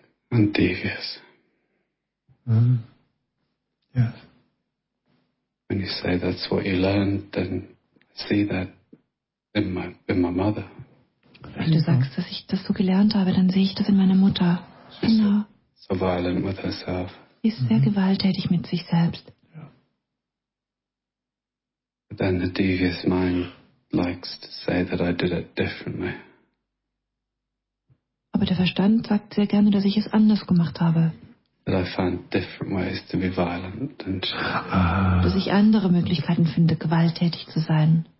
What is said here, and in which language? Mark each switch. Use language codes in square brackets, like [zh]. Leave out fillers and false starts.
[en] And devious. Yes. When you say that's what you learned, then see that in my mother. [de] Wenn du sagst, dass ich das so gelernt habe, dann sehe ich das in meiner Mutter. Genau. [en] So violent with herself. [de] Sie ist sehr gewalttätig mit sich selbst. [en] Yeah. But then the devious mind likes to say that I did it differently. [de] Aber der Verstand sagt sehr gerne, dass ich es anders gemacht habe. [en] That I find different ways to be violent and [de] dass ich andere Möglichkeiten finde, gewalttätig zu sein.